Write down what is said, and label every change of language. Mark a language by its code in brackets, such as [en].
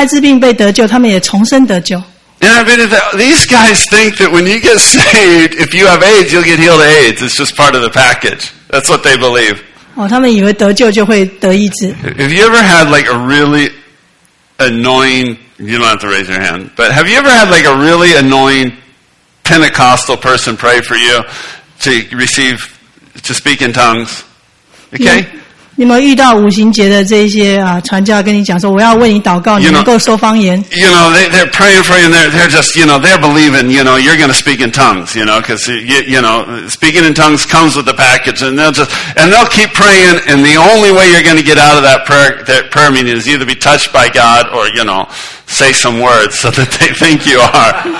[zh] 哦,他们得到这一整个祝福,不是只有艾滋病被得救,他们也重生得救。 [en] And I mean, these guys think that when you get saved, if you have AIDS, you'll get healed of AIDS. It's just part of the package. That's what they believe. [zh] 哦,他们以为得救就会得医治。 [en] Have you ever had like a really annoying, you don't have to raise your hand, but have you ever had like a really annoying Pentecostal person pray for you to receive, to speak in tongues? Okay? [zh] 你们遇到五行节的这些传教跟你讲说我要为你祷告你能够说方言。 [en] You know, they're praying for you and they're just, you know, they're believing, you know, you're going to speak in tongues, you know, because, you know, speaking in tongues comes with the package and they'll just, and they'll keep praying and the only way you're going to get out of that prayer meeting is either be touched by God or, you know, say some words so that they think you are.